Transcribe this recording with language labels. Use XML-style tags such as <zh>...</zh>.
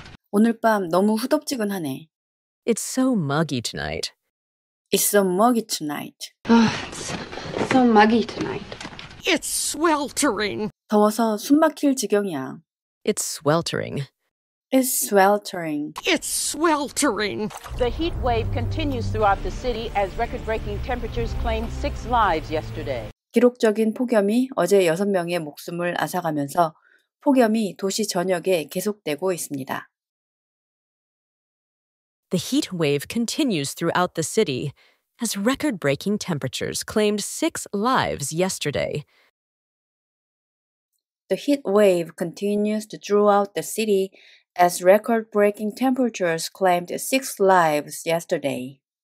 <ko>오늘 밤 너무 후덥지근하네.</ko> <en>It's so muggy tonight. It's so muggy tonight. It's so muggy tonight. It's sweltering.</en> <ko>더워서 숨 막힐 지경이야.</ko> <en>It's sweltering. It's sweltering. It's sweltering. The heat wave continues throughout the city as record-breaking temperatures claimed 6 lives yesterday.</en> <ko>기록적인 폭염이 어제 6명의 목숨을 앗아가면서 폭염이 도시 전역에 계속되고 있습니다.</ko> <en>The heat wave continues throughout the city as record-breaking temperatures claimed 6 lives yesterday. The heat wave continues throughout the city as record-breaking temperatures claimed 6 lives yesterday.</en>